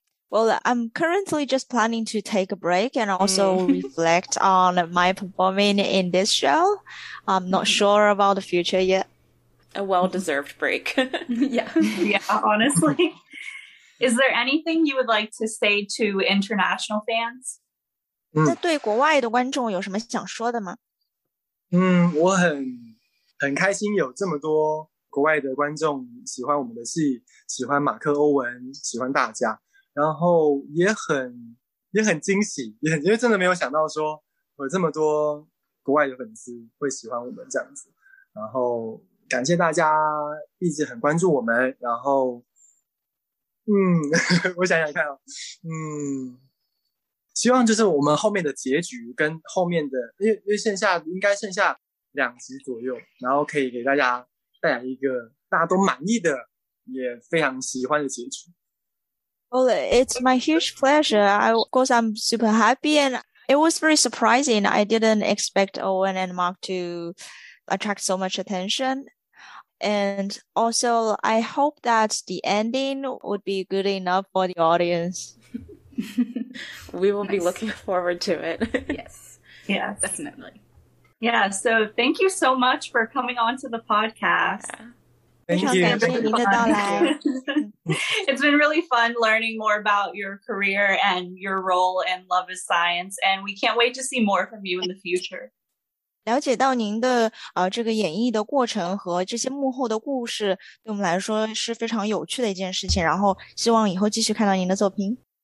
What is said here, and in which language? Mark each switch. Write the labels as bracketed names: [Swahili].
[English] Well, I'm currently just planning to take a break and also reflect on my performing in this show. I'm not sure about the future yet. A well-deserved break. yeah, honestly. Is there anything you would like to say to international fans? [Chinese] 那对国外的观众有什么想说的吗？我很开心有这么多国外的观众喜欢我们的戏，喜欢马克欧文，喜欢大家，然后也很惊喜，因为真的没有想到说有这么多国外的粉丝会喜欢我们这样子，然后感谢大家一直很关注我们，然后我想想看哦，希望就是我们后面的结局跟后面的，因为剩下应该剩下两集左右，然后可以给大家带来一个大家都满意的也非常喜欢的结局。 [English] Well, it's my huge pleasure. Of course, I'm super happy, and it was very surprising. I didn't expect Owen and Mark to attract so much attention. And also, I hope that the ending would be good enough for the audience. We will be looking forward to it. Yes. Yeah, definitely. Yeah, so thank you so much for coming on to the podcast. Yeah. Thank you. It's been really fun learning more about your career and your role in Love is Science, and we can't wait to see more from you in the future. [Chinese] 了解到您的这个演绎的过程和这些幕后的故事，对我们来说是非常有趣的一件事情，然后希望以后继续看到您的作品。